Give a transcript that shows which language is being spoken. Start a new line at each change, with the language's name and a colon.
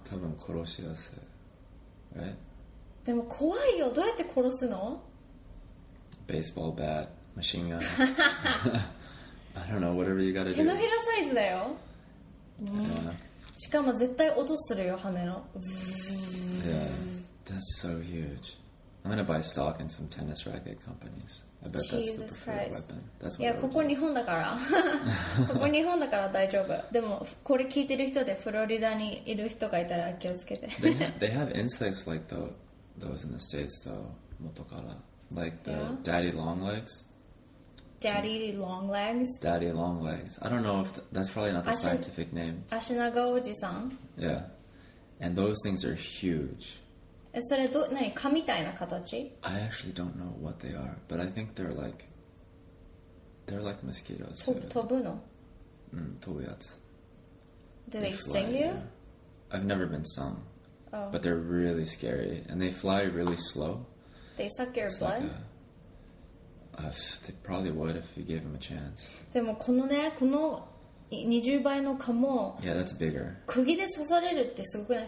Japanese: 多分殺しやすい。え？でも怖いよ、どうやって殺すの？ベースボールバット、マシンガン。
English: I don't know, whatever you gotta do.
Japanese: 手のひらサイズだよ。
English: Yeah.
Japanese: しかも絶対音するよ、羽の。
English: Yeah, that's so huge. I'm gonna buy stock in some tennis racket companies. I bet that's the preferred weapon.
Japanese: いや、ここ日本だから。ここ日本だから大丈夫。でも、これ聞いてる人でフロリダにいる人がいたら気をつけて。
English: they have insects like those in the States though,
Japanese: 元から。
English: Like the daddy long legs? Daddy long legs? Daddy long legs. I don't know if that's probably not the scientific name.
Japanese: 足長おじさん?
English: Yeah. And those things are huge.
Japanese: それど何蚊みたいな形
English: ？I actually don't know what they are, but I think they're like mosquitoes.
Japanese: 飛ぶの？うん、飛ぶやつ。
English: Do they sting you? I've never been stung, but they're really scary and they fly really slow. They suck your blood? They probably would if you gave them a chance.
Japanese: でもこのね、この20倍の蚊も、
English: Yeah, that's bigger.
Japanese: 釘で刺されるってすごくない？